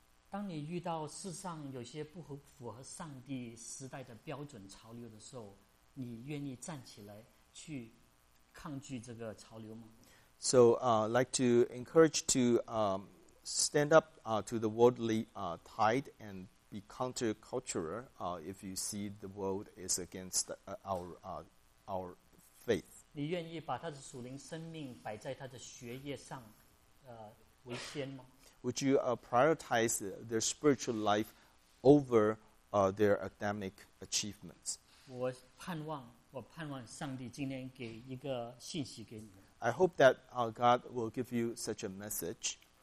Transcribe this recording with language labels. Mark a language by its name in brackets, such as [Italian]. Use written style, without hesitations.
[Chinese] 当你遇到世上有些不符合上帝时代的标准潮流的时候, 你愿意站起来去抗拒这个潮流吗? [English] So I'd like to encourage to stand up to the worldly tide and be counter-cultural if you see the world is against our faith. [Chinese] 你愿意把他的属灵生命摆在他的学业上, 为先吗? [English] Would you prioritize their spiritual life over their academic achievements? [Chinese] 我盼望上帝今天给一个信息给你。 [English] I hope that God will give you such a message.